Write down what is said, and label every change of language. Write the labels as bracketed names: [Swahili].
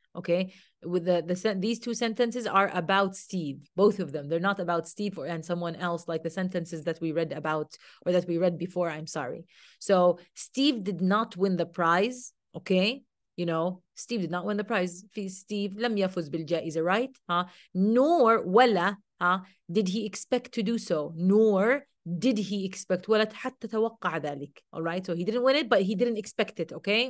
[English] Okay, with these two sentences are about Steve, both of them. They're not about Steve or and someone else like the sentences that we read about or that we read before. I'm sorry. So Steve did not win the prize. Okay, you know, Steve did not win the prize. [Arabic] Steve لم يفوز بالجائزة, right? [English] Nor ولا did he expect to do so. Nor did he expect, [Arabic] ولت حتى توقع ذلك, [English] all right? So he didn't win it, but he didn't expect it, okay?